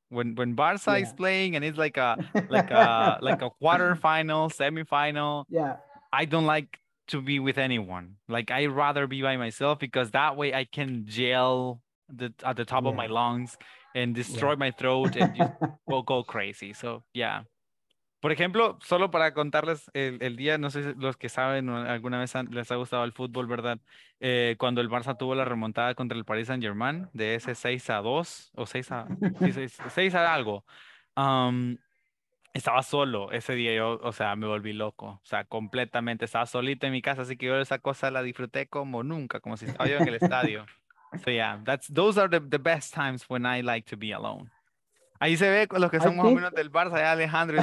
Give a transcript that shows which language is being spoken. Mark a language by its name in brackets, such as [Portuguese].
[English] When Barca is playing and it's like a quarterfinal, semifinal. Yeah. I don't like to be with anyone. Like I'd rather be by myself because that way I can yell at the top of my lungs and destroy my throat and just go crazy. So yeah. [Spanish] Por ejemplo, solo para contarles el día, no sé si los que saben alguna vez les ha gustado el fútbol, ¿verdad? Cuando el Barça tuvo la remontada contra el Paris Saint-Germain de ese 6-2 o 6-6 estaba solo ese día, yo, o sea, me volví loco. O sea, completamente estaba solito en mi casa, así que yo esa cosa la disfruté como nunca, como si estaba yo en el estadio. [English] So yeah, those are the best times when I like to be alone. [Spanish] Ahí se ve los que somos menos del Barça, ya Alejandro.